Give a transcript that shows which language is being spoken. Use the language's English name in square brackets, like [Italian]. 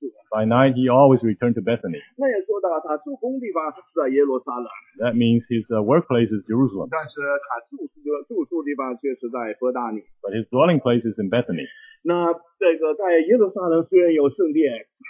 [English] by night he always returned to Bethany. [Chinese] 那也说到他住工地方是在耶路撒冷, [English] that means his workplace is Jerusalem. [Chinese] 但是他住宿地方却是在伯大尼, [English] but his dwelling place is in Bethany. [Chinese] 那这个在耶路撒冷虽然有圣殿,